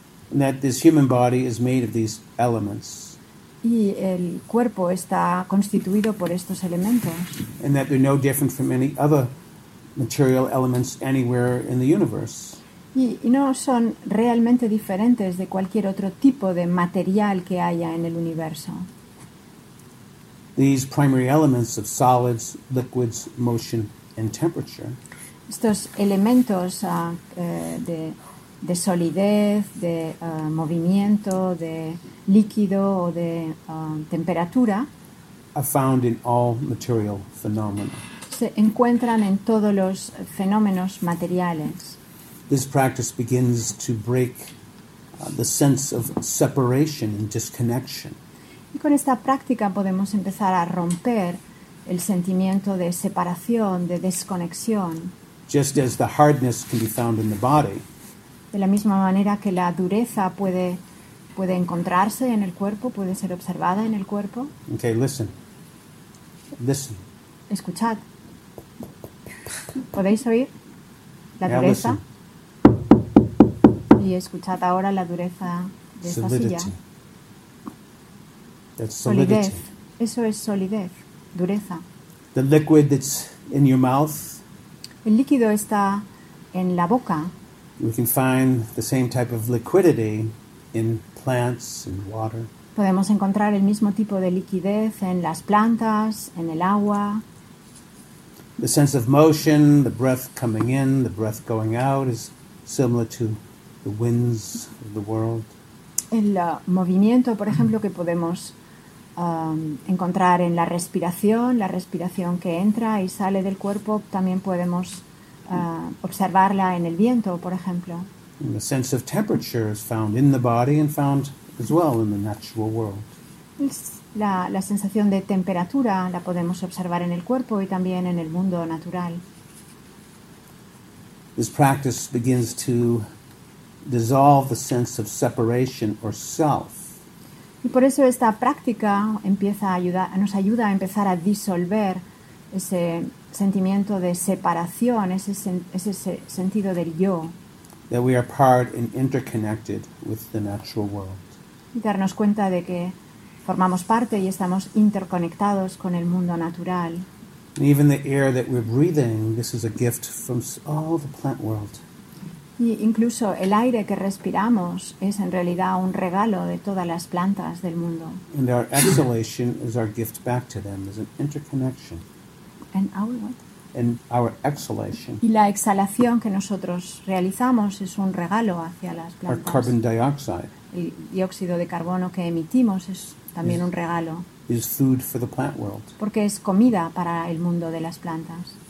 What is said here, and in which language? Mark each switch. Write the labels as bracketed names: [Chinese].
[English] And that this human body is made of these elements. [Spanish] Y el cuerpo está constituido por estos elementos. [English] And that they're no different from any other material elements anywhere in the universe. [Spanish] Y no son realmente diferentes de cualquier otro tipo de material que haya en el universo. [English] These primary elements of solids, liquids, motion, and temperature. [Spanish] Estos elementos de solidez, de movimiento, de líquido o de temperatura. [English] are found in all material phenomena. [Spanish] Se encuentran en todos los fenómenos materiales. [English] This practice begins to break the sense of separation and disconnection. [Spanish] Y con esta práctica podemos empezar a romper el sentimiento de separación, de desconexión. [English] Just as the hardness can be found in the body. [Spanish] De la misma manera que la dureza puede encontrarse en el cuerpo, puede ser observada en el cuerpo. [English] Okay, listen. Listen. [Spanish] Escuchad. ¿Podéis oír la dureza? [English] Listen. [Spanish] Y escuchad ahora la dureza de esta [English] solidity. [Spanish] Silla. [English] That's [Spanish] solidez. Eso es solidez, dureza. [English] The liquid that's in your mouth. [Spanish] El líquido está en la boca. [English] We can find the same type of liquidity in plants and water. [Spanish] Podemos encontrar el mismo tipo de liquidez en las plantas, en el agua. [English] The sense of motion, the breath coming in, the breath going out is similar to the winds of the world. [Spanish] El movimiento, por ejemplo, que podemos encontrar en la respiración que entra y sale del cuerpo, también podemos observarla en el viento, por ejemplo. [English] And the sense of temperature is found in the body and found as well in the natural world. [Spanish] La sensación de temperatura la podemos observar en el cuerpo y también en el mundo natural. [English] This practice begins to dissolve the sense of separation or self. [Spanish] Y por eso esta práctica nos ayuda a empezar a disolver ese sentimiento de separación, ese sentido del yo. [English] That we are part and interconnected with the natural world. [Spanish] Y darnos cuenta de que formamos parte y estamos interconectados con el mundo natural. [English] And even the air that we're breathing, this is a gift from all the plant world. [Spanish] Y incluso el aire que respiramos es en realidad un regalo de todas las plantas del mundo. [English] And our exhalation is our gift back to them. There's an interconnection. And our what? And our exhalation. [Spanish] Y la exhalación que nosotros realizamos es un regalo hacia las plantas. [English] Our carbon dioxide. [Spanish] El dióxido de carbono que emitimos es también un regalo. [English] Is food for the plant world. [Spanish] Porque es comida para el mundo de las plantas.